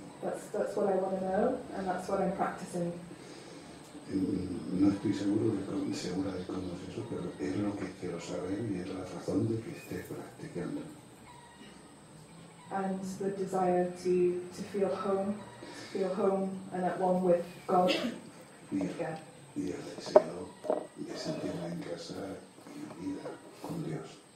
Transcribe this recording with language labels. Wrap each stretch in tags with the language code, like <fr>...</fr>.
<en>That's what I want to know, and that's what I'm practicing.</en> <es>No estoy segura de cómo es eso, pero es lo que quiero saber y es la razón de que esté practicando.</es> <en>And the desire to feel home and at one with God.</en> <es>Y el deseo de sentirme en casa y en vida con Dios.</es>